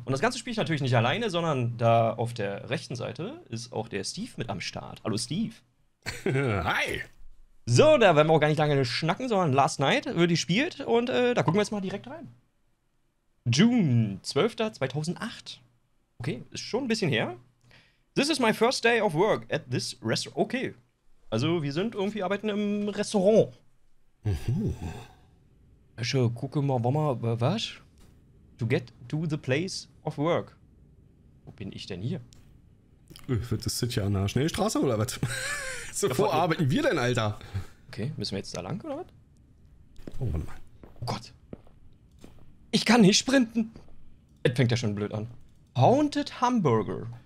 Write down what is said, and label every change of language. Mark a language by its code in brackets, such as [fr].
[de] Und das Ganze spiele ich natürlich nicht alleine, sondern da auf der rechten Seite ist auch der Steve mit am Start. Hallo Steve. [en] Hi. [de] So, da werden wir auch gar nicht lange schnacken, sondern Last Night wird gespielt und da gucken wir jetzt mal direkt rein. June 12.2008. Okay, ist schon ein bisschen her. [en] This is my first day of work at this restaurant. [de] Okay, also wir sind irgendwie arbeiten im Restaurant. Also, gucke mal, was? [en] To get to the place of work. [de] Wo bin ich denn hier? Das sitzt ja an der Schnellstraße, oder was? So, wo arbeiten wir denn, Alter? Okay, müssen wir jetzt da lang, oder was? Oh, warte mal. Oh Gott. Ich kann nicht sprinten. Es fängt ja schon blöd an. [en] Haunted Hamburger.